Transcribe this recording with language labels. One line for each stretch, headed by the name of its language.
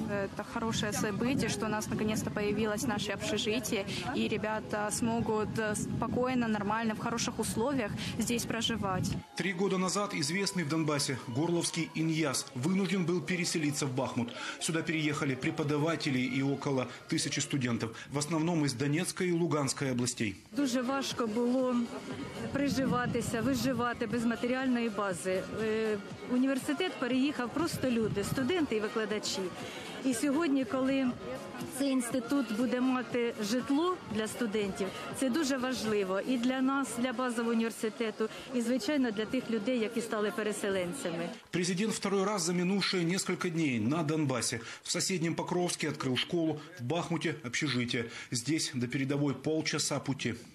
Russian: Это хорошее событие, что у нас наконец-то появилось наше общежитие, и ребята смогут спокойно, нормально, в хороших условиях здесь проживать. 3 года назад известный в Донбассе горловский Иньяс вынужден был переселиться в Бахмут. Сюда переехали преподаватели и около 1000 студентов, в основном из Донецкой и Луганской областей.
Ukrainian: Дуже важко было приживатися, виживати без матеріальної бази. Університет переїхав просто люди, студенти і викладачі. І сьогодні, коли цей інститут буде мати житло для студентів, це дуже важливо і для нас, для базового університету, і, звичайно, для тих людей, які стали переселенцями.
Russian: Президент второй раз за минувшие несколько дней на Донбассе. В соседнем Покровске открыл школу, в Бахмуте – общежитие. Здесь до передовой полчаса пути.